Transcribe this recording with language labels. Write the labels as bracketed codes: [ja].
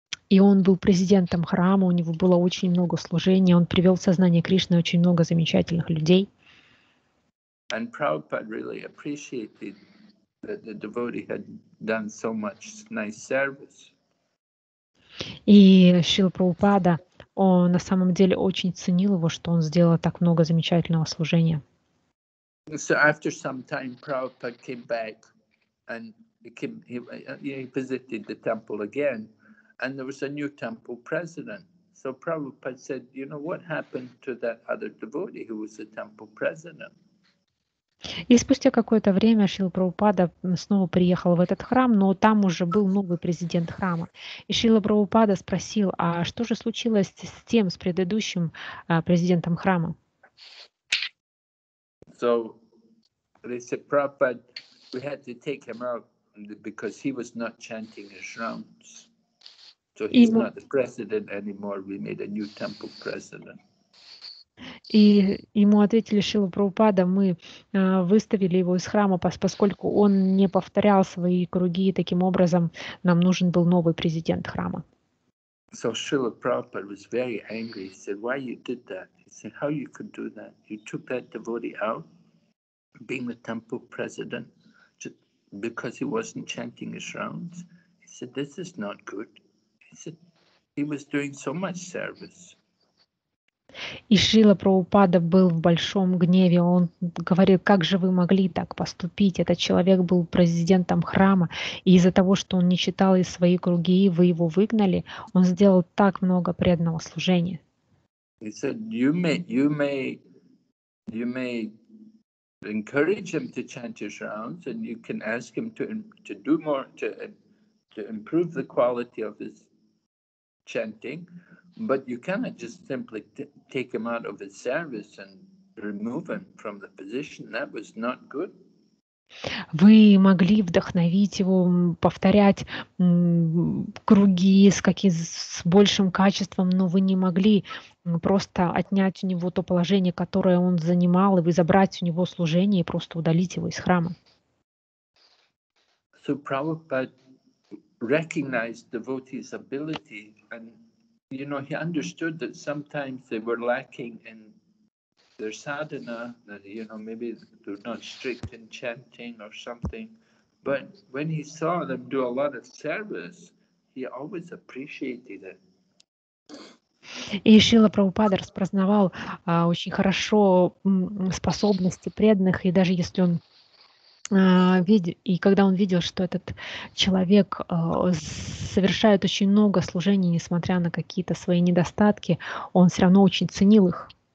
[ru] И он был президентом храма, у него было очень много служения, он привел в сознание Кришны очень много замечательных людей. [en] And Prabhupada really appreciated that the devotee had done so much nice service. [ru] И Шрила Прабхупада, на самом деле очень ценил его, что он сделал так много замечательного служения. [en] So after some time, Prabhupada came back and he visited the temple again, and there was a new temple president. So Prabhupada said, what happened to that other devotee who was the temple president? [ru] И спустя какое-то время Шрила Прабхупада снова приехал в этот храм, но там уже был новый президент храма. И Шрила Прабхупада спросил, а что же случилось с тем, с предыдущим президентом храма? [en] So, they said, Prabhupada, we had to take him out because he was not chanting his rounds. So he's not the president anymore, we made a new temple president. [ru] И ему ответили Шрила Прабхупада, мы выставили его из храма, поскольку он не повторял свои круги, и таким образом нам нужен был новый президент храма. [en] So Srila Prabhupada was very angry. He said, why you did that? He said, how you could do that? You took that devotee out, being the temple president, just because he wasn't chanting his rounds. He said, this is not good. He said, he was doing so much service. [ru] И Шрила Прабхупада был в большом гневе. Он говорил, как же вы могли так поступить? Этот человек был президентом храма, и из-за того, что он не читал из своей круги, вы его выгнали, он сделал так много преданного служения. [en] He said, you may encourage him to chant his rounds, and you can ask him to do more, to improve the quality of his chanting. But you cannot just simply take him out of his service and remove him from the position. That was not good. [ru] Вы могли вдохновить его, повторять круги с большим качеством, но вы не могли просто отнять у него то положение, которое он занимал, и вы забрать у него служение и просто удалить его из храма. [en] So Prabhupada recognized devotee's ability and you know, he understood that sometimes they were lacking in their sadhana, that, you know, maybe they're not strict in chanting or something. But when he saw them do a lot of service, he always appreciated it. [ru] И Шрила Прабхупада распознавал очень хорошо способности преданных, и даже если он и когда он видел, что этот человек совершает очень много служений, несмотря на какие-то свои недостатки, он все равно очень ценил их.